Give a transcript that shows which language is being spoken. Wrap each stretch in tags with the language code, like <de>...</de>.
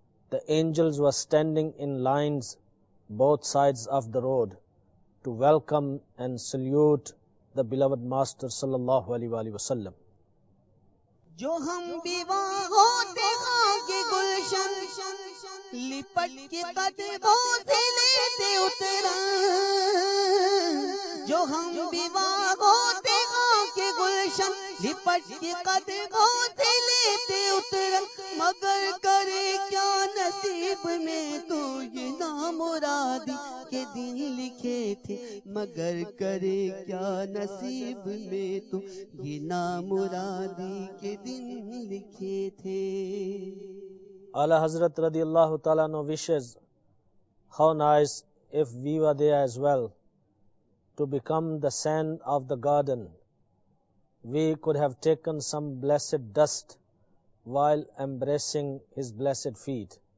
<en>The angels were standing in lines both sides of the road to welcome and salute the beloved Master sallallahu alaihi wasallam.</en> <ur>جو ہم بھی وہاں ہوتے آگے گلشن لپٹ کے قدموں سے لیتے اتراں جو ہم بھی وہاں ہوتے آگے گلشن لپٹ کے قدموں سے لیتے اتراں مگر کرے کیا نصیب میں تو یہ نامرادی کے دن لکھے تھے مگر کرے کیا نصیب میں تو یہ نامرادی کے دن لکھے تھے اعلی حضرت رضی اللہ تعالیٰ نو</ur> <en>wishes how nice if we were there as well to become the sand of the garden we could have taken some blessed dust while embracing his blessed feet.</en>